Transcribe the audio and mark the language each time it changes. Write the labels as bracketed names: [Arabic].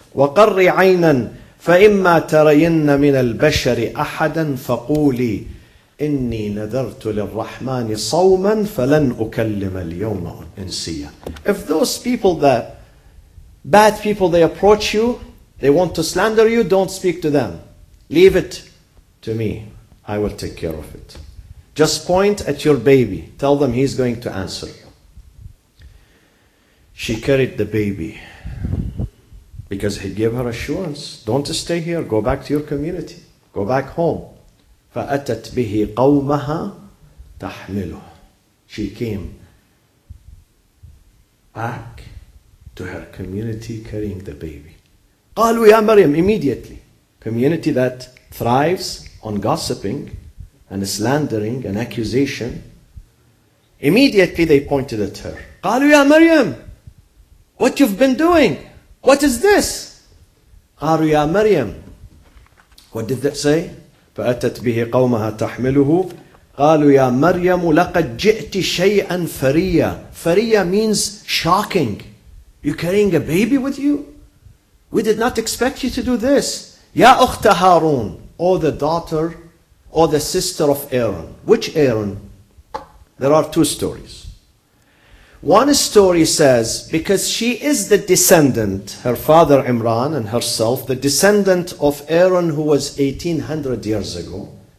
[Arabic] وَقَرِّي عَيْنًا فَإِمَّا تَرَيِنَّ مِنَ الْبَشَرِ أَحَدًا فَقُولِي إني نذرت للرحمن صوما فلن أكلم اليوم إنسيا. [English] If those people, the bad people, they approach you, they want to slander you, don't speak to them. Leave it to me. I will take care of it. Just point at your baby. Tell them he's going to answer you. She carried the baby because he gave her assurance. Don't stay here. Go back to your community. Go back home. [Arabic] فأتت به قومها تحمله. [English] She came back to her community carrying the baby. [Arabic] قالوا يا مريم [English] immediately. Community that thrives on gossiping and slandering and accusation. Immediately they pointed at her. [Arabic] قالوا يا مريم, [English] what you've been doing? What is this? [Arabic] قالوا يا مريم. [English] What did that say? [Arabic] فأتت به قومها تحمله. قالوا يا مريم لقد جئت شيئا فريا. [English] فريا means shocking. You're carrying a baby with you? We did not expect you to do this. [Arabic] يا أخت هارون, [English] or the daughter or the sister of Aaron. Which Aaron? There are two stories. One story says, because she is the descendant, her father Imran and herself, the descendant of Aaron who was 1800 years ago.